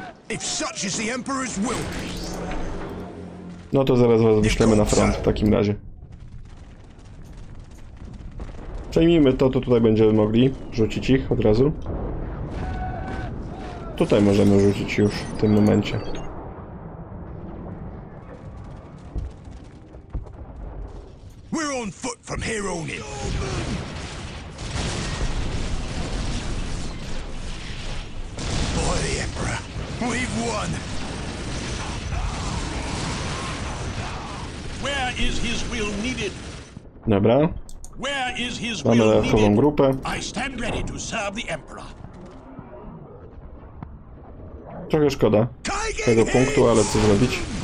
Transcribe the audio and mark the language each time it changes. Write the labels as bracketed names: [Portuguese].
[English] If such is the Emperor's will. [Polish] No to zaraz was wyślemy na front w takim razie. Przejmijmy to, to tutaj będziemy mogli rzucić ich od razu. Tutaj możemy rzucić już w tym momencie. [English] We're on foot from here on in. By the Emperor, we've won. Where is his will needed? [Polish] Dobra. [English] Where is his will needed? [Polish] Mamy dodatkową grupę. [English] I stand ready to serve the Emperor. [Polish] Trochę szkoda tego punktu, ale co zrobić?